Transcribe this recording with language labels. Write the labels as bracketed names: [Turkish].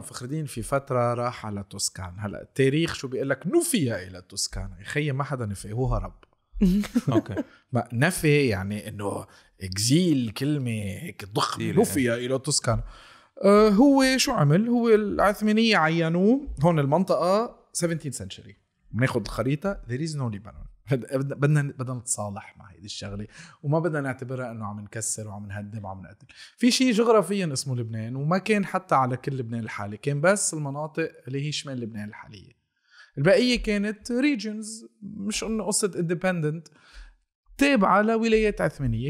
[Arabic] فخر الدين في فتره راح على توسكان. هلا التاريخ شو بيقول لك؟ نفي الى توسكان. يخي ما حدا نفي، هو هرب. اوكي نفي يعني انه اكزيل كلمه هيك ضخمه. نفي الى توسكان. هو شو عمل؟ هو العثمانية عينوه هون المنطقة 17th century. بناخد الخريطة [English] there is no Lebanon. [Arabic] بدنا نتصالح مع هيدي الشغلة وما بدنا نعتبرها انه عم نكسر وعم نهدم وعم نقتل. في شيء جغرافيا اسمه لبنان وما كان حتى على كل لبنان الحالي، كان بس المناطق اللي هي شمال لبنان الحالية، البقية كانت regions، مش انه قصة independent، تابعة لولاية عثمانية.